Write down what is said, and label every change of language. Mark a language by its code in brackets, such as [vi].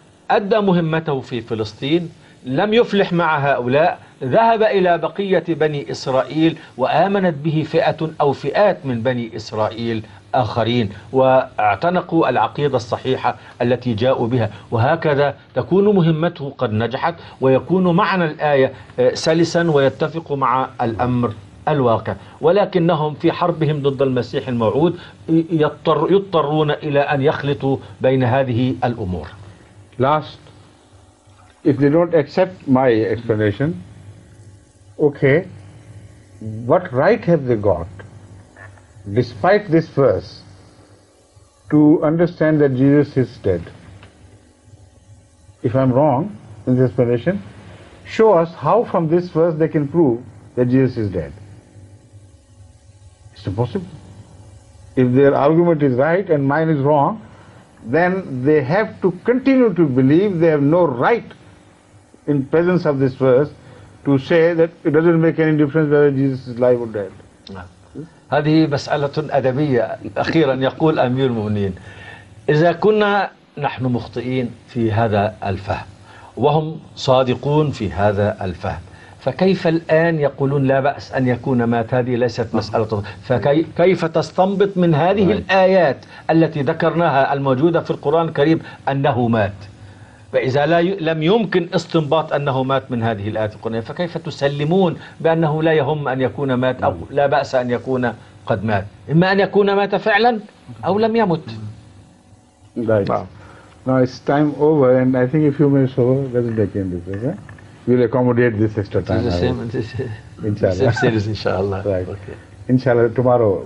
[ar] أدى مهمته في فلسطين لم يفلح مع هؤلاء، ذهب إلى بقية بني إسرائيل وآمنت به فئة أو فئات من بني إسرائيل آخرين واعتنقوا العقيدة الصحيحة التي جاءوا بها، وهكذا تكون مهمته قد نجحت ويكون معنى الآية سلسا ويتفق مع الأمر الواقع. ولكنهم في حربهم ضد المسيح الموعود يضطرون إلى أن يخلطوا بين هذه الأمور. [en] Last, if they don't accept my explanation, okay, what right have they got? Despite this verse, to understand that Jesus is dead. If I'm wrong in this explanation, show us how from this verse they can prove that Jesus is dead. It's impossible. If their argument is right and mine is wrong, then they have to continue to believe. They have no right, in presence of this verse, to say that it doesn't make any difference whether Jesus is alive or dead. [ar] هذه مسألة أدبية. أخيرا يقول أمير المؤمنين: إذا كنا نحن مخطئين في هذا الفهم وهم صادقون في هذا الفهم، فكيف الآن يقولون لا بأس أن يكون مات؟ هذه ليست مسألة. فكيف تستنبط من هذه الآيات التي ذكرناها الموجودة في القرآن الكريم أنه مات؟ فإذا لم يمكن استنباط أنه مات من هذه الآيات القرآنية، فكيف تسلمون بأنه لا يهم أن يكون مات أو لا بأس أن يكون قد مات؟ إما أن يكون مات فعلا أو لم يمت. [en] Now it's time over, and I think a few minutes over doesn't take any difference. We'll accommodate this extra time. It's the same. Inshallah. Same series, inshallah. Right. Okay. Inshallah, tomorrow.